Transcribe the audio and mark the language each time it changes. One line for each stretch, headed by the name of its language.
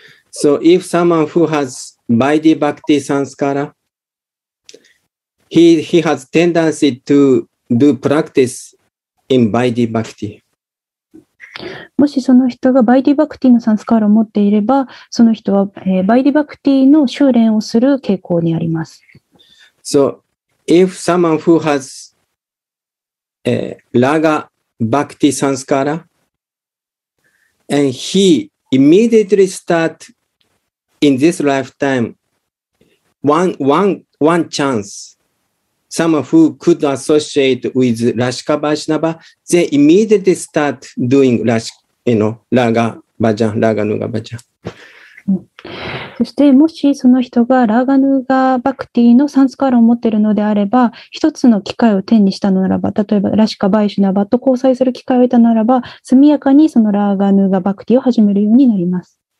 English: So if someone who has Vaidhi Bhakti Sanskara, he has tendency to do practice in Vaidhi Bhakti.
Japanese: もしその人がバイディバクティのサンスカールを持っていれば、その人は、バイディバクティの修練をする傾向にあります。
English: So, if someone who has、Raga Bhakti Sanskara, and he immediately start in this lifetime, one chance, someone who could associate with Rashika Vaishnava, they immediately start doing Rashika. You know, Raga Bhajan, Raga Nuga Bhajan.
Japanese: そしてもしその人がラーガヌーガバクティのサンスカールを持っているのであれば、一つの機会を手にしたのならば、例えばラシカバイシュナバと交際する機会を得たならば、速やかにそのラーガヌーガバクティを始めるようになります。